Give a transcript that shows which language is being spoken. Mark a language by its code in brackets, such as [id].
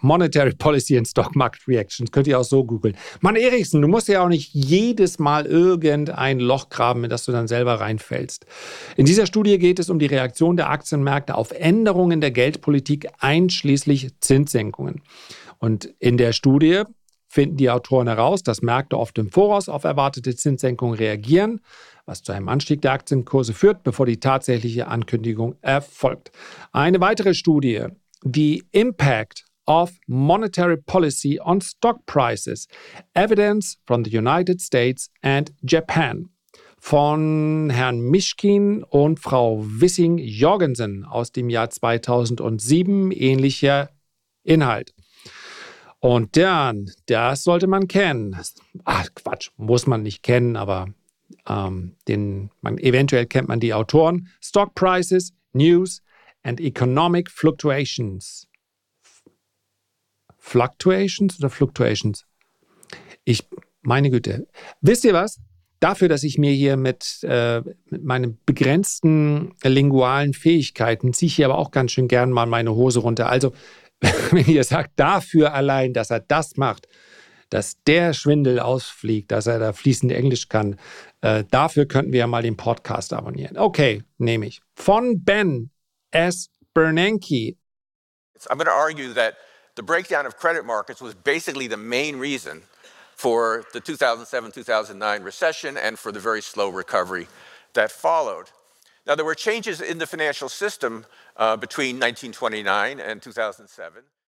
[en] Monetary Policy and Stock Market Reactions. [de] Könnt ihr auch so googeln. Mann, Eriksen, du musst ja auch nicht jedes Mal irgendein Loch graben, in das du dann selber reinfällst. In dieser Studie geht es um die Reaktion der Aktienmärkte auf Änderungen der Geldpolitik, einschließlich Zinssenkungen. Und in der Studie finden die Autoren heraus, dass Märkte oft im Voraus auf erwartete Zinssenkungen reagieren, was zu einem Anstieg der Aktienkurse führt, bevor die tatsächliche Ankündigung erfolgt. Eine weitere Studie. [en] The Impact of Monetary Policy on Stock Prices, Evidence from the United States and Japan [de] von Herrn Mishkin und Frau Wissing-Jorgensen aus dem Jahr 2007, ähnlicher Inhalt. Und dann, das sollte man kennen. Ach Quatsch, muss man nicht kennen, aber eventuell kennt man die Autoren. [en] Stock Prices, News and Economic Fluctuations. [de] Fluctuations oder Fluctuations? Meine Güte. Wisst ihr was? Dafür, dass ich mir hier mit meinen begrenzten lingualen Fähigkeiten ziehe ich hier aber auch ganz schön gern mal meine Hose runter. Also, wenn ihr sagt, dafür allein, dass er das macht, dass der Schwindel ausfliegt, dass er da fließend Englisch kann, dafür könnten wir ja mal den Podcast abonnieren. Okay, nehme ich. Von Ben S. Bernanke. [en] I'm going to argue that the breakdown of credit markets was basically the main reason for the 2007-2009 recession and for the very slow recovery that followed. Now, there were changes in the financial system between 1929 and 2007.